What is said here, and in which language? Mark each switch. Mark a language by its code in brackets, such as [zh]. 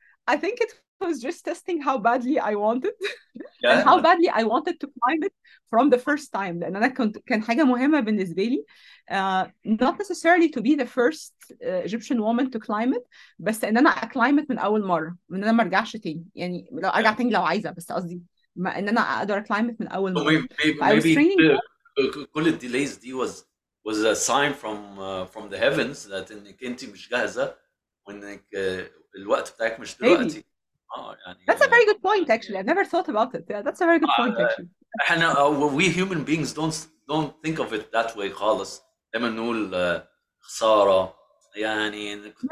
[en] I think it was just testing how badly I wanted and yeah how badly I wanted to climb it from the first time. [ar] لأن أنا كنت كان حاجة مهمة بالنسبة لي [en] not necessarily to be the first Egyptian woman to climb it [ar] بس إن أنا أكلايم it من أول مرة وإن أنا ما أرجعش تاني. يعني لو أرجع تاني لو عايزة بس قصدي إن أنا أقدر أكلايم it من أول [en] So مرة. I was maybe training [ar] the, كل ال delays دي [en] was a sign from the heavens that [ar] انك انت مش جاهزة وانك الوقت بتاعك مش [en] maybe [ar] دلوقتي. يعني [en] that's a very good point actually. I never thought about it. Yeah, that's a very good point actually. احنا we human beings don't think of it that way خالص. [ar] دايما نقول خسارة يعني كنت